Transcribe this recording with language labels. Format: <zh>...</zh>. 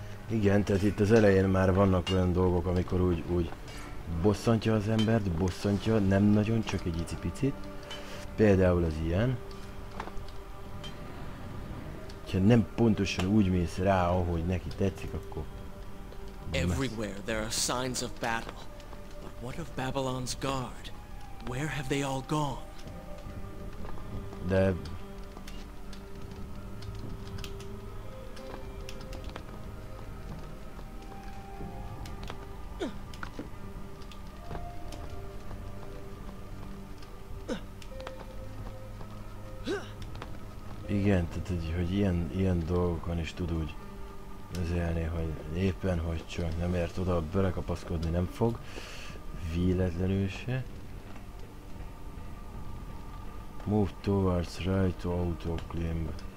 <hu>Igen, tehát itt az elején már vannak olyan dolgok, amikor úgy bosszantja az embert, bosszantja, nem nagyon, csak egy icipicit. Például az ilyen. Ha nem pontosan úgy mész rá, ahogy neki tetszik, akkor...</hu> <en>Everywhere there are signs of battle. But what of Babylon's guard? Where have they all gone?</en> <hu>De... Igen, tehát hogy ilyen dolgokon is tud úgy vezélni, hogy éppen hogy csak nem ért oda, belekapaszkodni nem fog. Véletlenül se.</hu> <en>Move towards right to auto climb.</en>